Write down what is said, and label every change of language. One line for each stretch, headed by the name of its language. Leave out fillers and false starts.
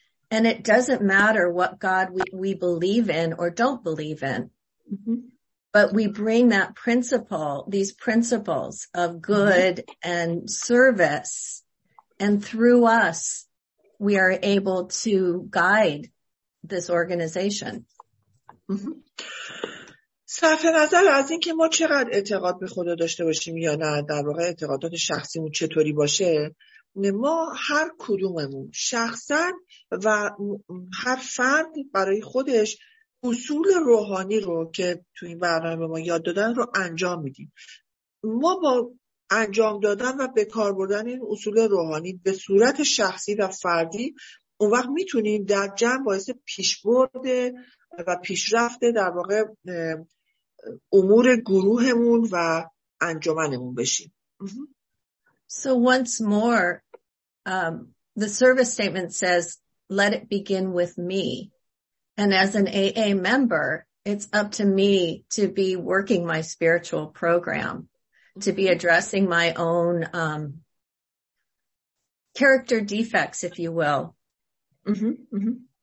English: And it doesn't matter what God we believe in or don't believe in. Mm-hmm. But we bring that principle, these principles of good mm-hmm. and service. And through us, we are able to guide this organization.
Persian: صرف نظر از این که ما چقدر اعتقاد به خدا داشته باشیم یا نه، در واقع اعتقادات شخصیمون چطوری باشه، ما هر کدوممون شخصا و هر فرد برای خودش اصول روحانی رو که تو این برنامه ما یاد دادن رو انجام میدیم. ما با انجام دادن و به کار بردن این اصول روحانی به صورت شخصی و فردی، اون وقت میتونیم در جمع باعث پیشبرد و پیشرفت در واقع امور گروهمون و انجمنمون بشیم.
English: So once more, the service statement says, let it begin with me. And as an AA member, it's up to me to be working my spiritual program, to be addressing my own character defects, if you will. Mm-hmm, mm-hmm.